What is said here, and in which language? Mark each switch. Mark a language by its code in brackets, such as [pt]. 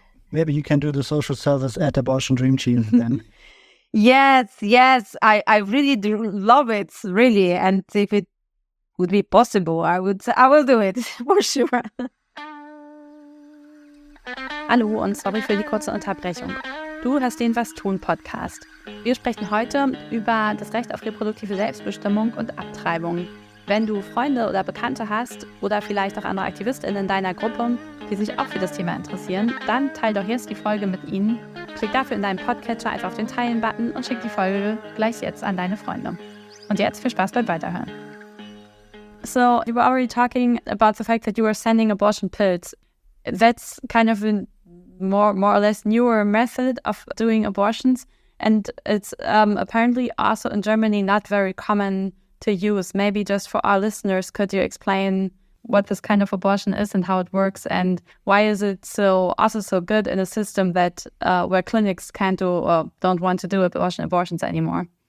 [en] maybe you can do the social service at Abortion Dream Team then. yes, I really do love it, really, and if it would be possible, I will do it for sure. [de] Hallo und sorry für die kurze Unterbrechung. Du hast den Was tun Podcast. Wir sprechen heute über das Recht auf reproduktive Selbstbestimmung und Abtreibung. Wenn du Freunde oder Bekannte hast oder vielleicht auch andere AktivistInnen in deiner Gruppe, die sich auch für das Thema interessieren, dann teil doch jetzt die Folge mit ihnen. Klick dafür in deinem Podcatcher einfach auf den Teilen-Button und schick die Folge gleich jetzt an deine Freunde. Und jetzt viel Spaß beim Weiterhören. [en] So, you were already talking about the fact that you were sending abortion pills. That's kind of more or less newer method of doing abortions, and it's apparently also in Germany not very common to use. Maybe just for our listeners, could you explain what this kind of abortion is and how it works, and why is it so good in a system that where clinics can't do or don't want to do abortions anymore?